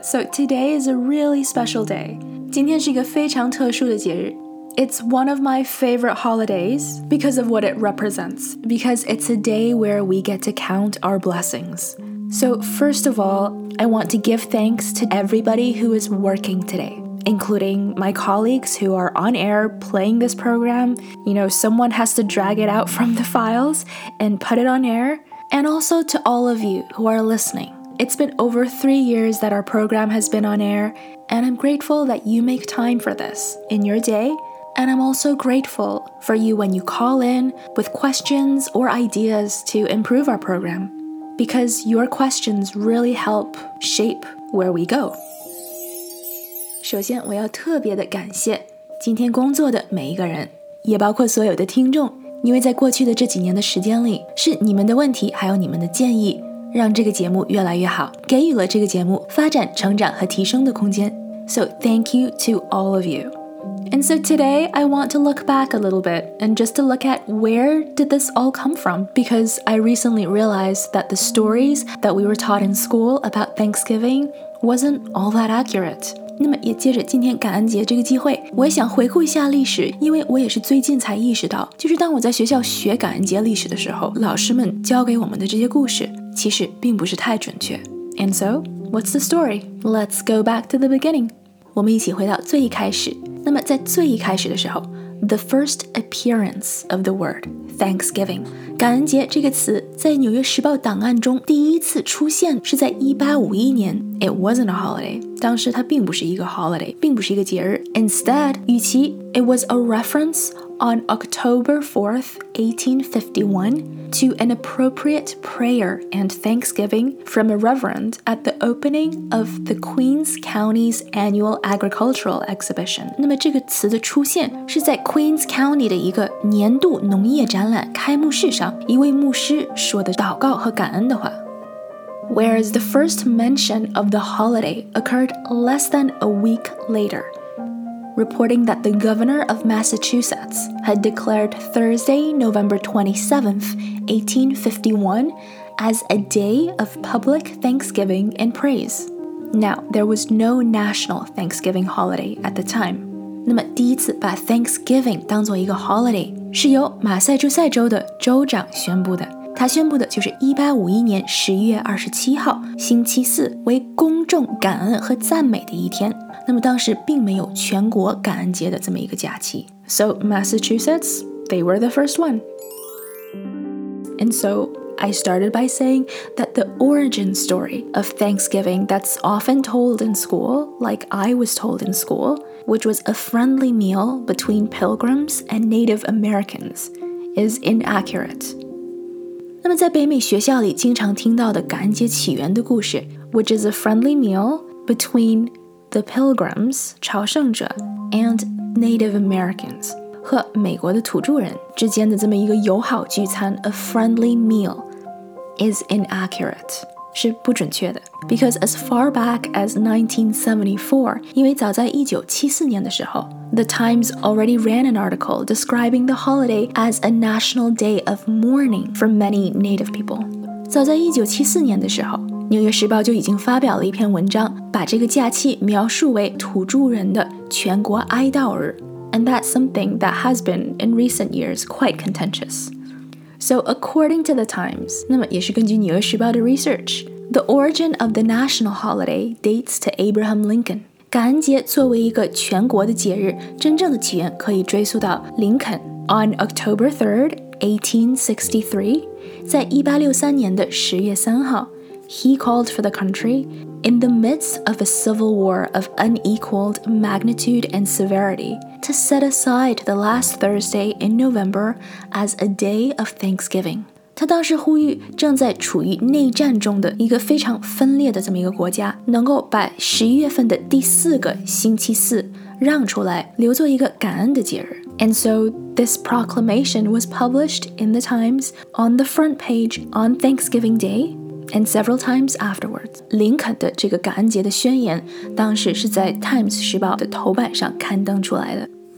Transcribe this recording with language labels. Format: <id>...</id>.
<en>So today is a really special day.</en> <zh>今天是一个非常特殊的节日。</zh> <en>It's one of my favorite holidays because of what it represents. Because it's a day where we get to count our blessings. So first of all, I want to give thanks to everybody who is working today. Including my colleagues who are on air playing this program. You know, someone has to drag it out from the files and put it on air. And also to all of you who are listening. It's been over 3 years that our program has been on air, and I'm grateful that you make time for this in your day. And I'm also grateful for you when you call in with questions or ideas to improve our program, because your questions really help shape where we go.</en> <zh>首先我要特别的感谢今天工作的每一个人，也包括所有的听众，因为在过去的这几年的时间里，是你们的问题还有你们的建议让这个节目越来越好，给予了这个节目发展成长和提升的空间。</zh> <en>So thank you to all of you. And so today I want to look back a little bit and just to look at where did this all come from, because I recently realized that the stories that we were taught in school about Thanksgiving wasn't all that accurate.</en> <zh>那么也借着今天感恩节这个机会，我也想回顾一下历史，因为我也是最近才意识到，就是当我在学校学感恩节历史的时候，老师们教给我们的这些故事其实并不是太准确。</zh> <en>And so, what's the story? Let's go back to the beginning.</en> <zh>我们一起回到最一开始。那么在最一开始的时候，</zh> <en>The first appearance of the word Thanksgiving.</en> <zh>感恩节这个词在纽约时报档案中第一次出现是在1851年。</zh> <en>It wasn't a holiday.</en> <zh>当时它并不是一个 holiday, 并不是一个节日。</zh> <en>Instead,</en> <zh>与其</zh> <en>it was a reference on October 4th, 1851 to an appropriate prayer and thanksgiving from a reverend at the opening of the Queens County's annual agricultural exhibition.</en> <zh>那么这个词的出现是在 Queens County 的一个年度农业展览开幕式上，一位牧师说的祷告和感恩的话。</zh> <en>Whereas the first mention of the holiday occurred less than a week later, reporting that the governor of Massachusetts had declared Thursday, November 27th, 1851, as a day of public thanksgiving and praise. Now, there was no national Thanksgiving holiday at the time.</en> <zh>那么第一次把 Thanksgiving 当作一个 holiday 是由马萨诸塞州的州长宣布的。他宣布的就是1851年10月27号星期四为公众感恩和赞美的一天。那么当时并没有全国感恩节的这么一个假期。</zh> <en>So Massachusetts, they were the first one. And so I started by saying that the origin story of Thanksgiving that's often told in school, like I was told in school, which was a friendly meal between pilgrims and Native Americans, is inaccurate.</en> <zh>那么在北美学校里经常听到的感恩节起源的故事</zh> <en>which is a friendly meal between the pilgrims</en> <zh>朝圣者</zh> <en>and Native Americans</en> <zh>和美国的土著人之间的这么一个友好聚餐</zh> <en>a friendly meal is inaccurate</en> <zh>是不准确的</zh> <en>because as far back as 1974</en> <zh>因为早在1974年的时候</zh> <en>the Times already ran an article describing the holiday as a national day of mourning for many native people.</en> <zh>早在1974年的时候，纽约时报就已经发表了一篇文章，把这个假期描述为土著人的全国哀悼日。</zh> <en>And that's something that has been in recent years quite contentious. So according to the Times,</en> <zh>那么也是根据纽约时报的 research,</zh> <en>the origin of the national holiday dates to Abraham Lincoln.</en> <zh>感恩节作为一个全国的节日，真正的起源可以追溯到林肯。</zh> <en>On October 3rd, 1863,</en> <zh>在1863年的10月3号</zh> <en>he called for the country in the midst of a civil war of unequaled magnitude and severity to set aside the last Thursday in November as a day of thanksgiving.</en> <zh>他当时呼吁正在处于内战中的一个非常分裂的这么一个国家能够把十一月份的第四个星期四让出来留作一个感恩的节日。</zh> <en>And so this proclamation was published in the Times on the front page on Thanksgiving Day and several times afterwards.</en> <zh>林肯的这个感恩节的宣言当时是在 Times 时报的头版上刊登出来的。</zh>